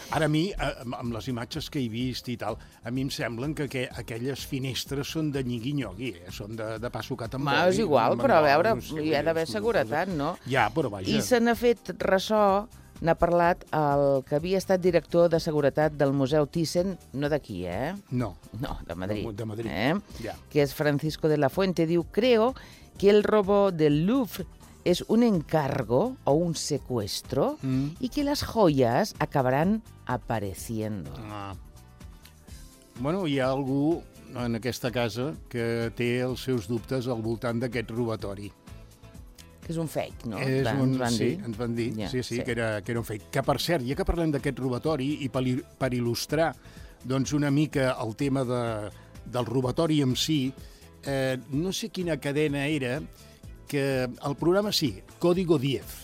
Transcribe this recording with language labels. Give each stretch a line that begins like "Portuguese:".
Catalan: Ara a mi, amb les imatges que he vist i tal, a mi em semblen que aquelles finestres són de nyigui-nyogui, són de passo que tambor. Ma, és igual, però a veure, hi ha d'haver seguretat, no? Ja, però vaja. I se n'ha fet ressò, n'ha parlat el que havia estat director de seguretat del Museu Thyssen, no d'aquí, No. No, de Madrid. De Madrid. Que és Francisco de la Fuente, diu,
Spanish: creo que el robo del Louvre es un encargo o un secuestro y que las joyas acabarán apareciendo.
Catalan: Bueno, hi ha algú en aquesta casa que té els seus dubtes al voltant d'aquest robatori. Que és un fake, no? Ens van dir que era un fake. Que, per cert, ja que parlem d'aquest robatori, i per il·lustrar doncs una mica el tema del robatori en si, no sé quina cadena era, que el programa sí, Código 10.